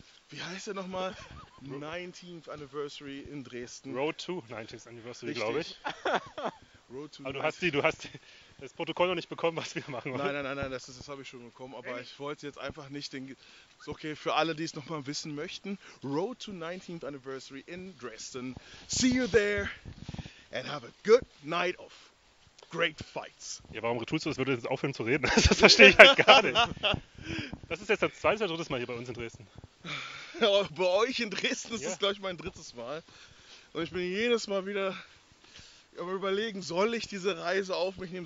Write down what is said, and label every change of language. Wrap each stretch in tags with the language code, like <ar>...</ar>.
<de>Wie heißt der nochmal? 19th Anniversary in Dresden. Road to 19th Anniversary, glaube ich.</de> <en>Road to</en> <de>aber du hast das Protokoll noch nicht bekommen, was wir machen. Nein, das habe ich schon bekommen. Aber ich wollte jetzt einfach nicht den... Ist okay, für alle, die es nochmal wissen möchten.</de> <en>Road to 19th Anniversary in Dresden. See you there. And have a good night of great fights.</en> <de>Ja, warum tust du das? Würde jetzt aufhören zu reden? Das verstehe ich halt gar nicht. Das ist jetzt das zweite oder dritte Mal hier bei uns in Dresden. Ja, bei euch in Dresden ist es, glaube ich, mein drittes Mal. Und ich bin jedes Mal wieder am Überlegen, soll ich diese Reise auf mich nehmen?</de>